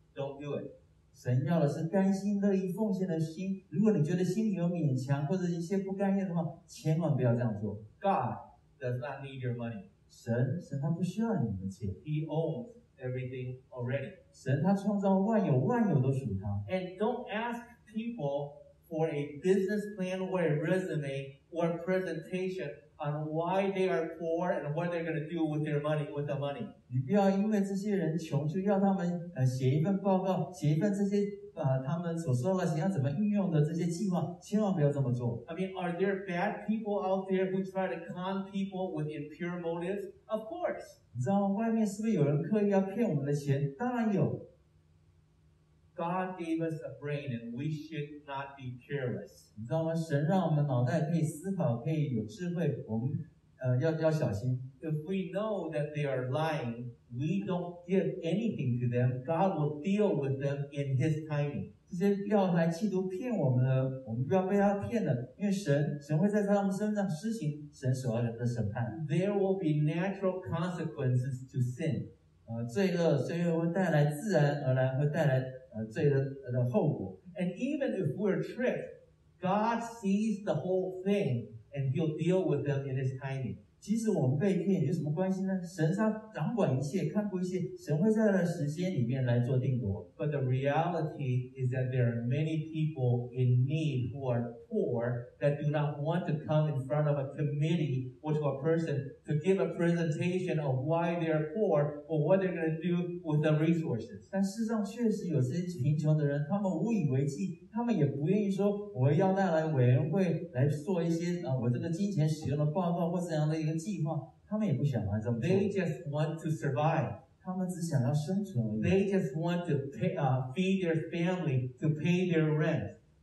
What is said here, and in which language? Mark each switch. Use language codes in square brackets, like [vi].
[en] Don't do it. [zh] 神要的是甘心乐意奉献的心。如果你觉得心里有勉强或者一些不甘愿的话，千万不要这样做。 [en] God does not need your money. [zh] 神他不需要你的钱。 [en] He owns everything already. [zh] 神他创造万有，万有都属他。 [en] And don't ask people for a business plan or a resume or a presentation. On why they are poor and what they're going to do with their money, with the money. [zh] 你不要因为这些人穷就要他们写一份报告，写一份这些他们所收的钱要怎么运用的这些计划，千万不要这么做。 [en] I mean, are there bad people out there who try to con people with impure motives? Of course. [zh] 你知道外面是不是有人刻意要骗我们的钱？当然有。 [en] God gave us a brain and we should not be careless. [zh] 你知道吗？神让我们脑袋可以思考，可以有智慧，我们要小心。 [en] If we know that they are lying, we don't give anything to them. God will deal with them in His timing. [zh] 这些要来企图骗我们的，我们不要被他骗了，因为神会在他们身上施行神所要的审判。 [en] There will be natural consequences to sin. [zh] 罪恶会带来自然而然会带来。罪的后果。 [en] And even if we're tricked, God sees the whole thing and he'll deal with them in his timing. [zh] 即使我们被骗也有什么关系呢?神他掌管一切,看顾一切,神会在他的时间里面来做定夺。 [en] But the reality is that there are many people in need who are poor that do not want to come in front of a committee or to a person to give a presentation of why they are poor or what they're going to do with the resources. [zh] 但事实上确实有些贫穷的人,他们误以为计, 他们也不愿意说我要带来委员会来做一些我这个金钱使用的报告或怎样的一个计划，他们也不想来这么做。 [en] They just want to survive. [zh] 他们只想要生存而已。 [en] They just want to feed their family to pay their rent.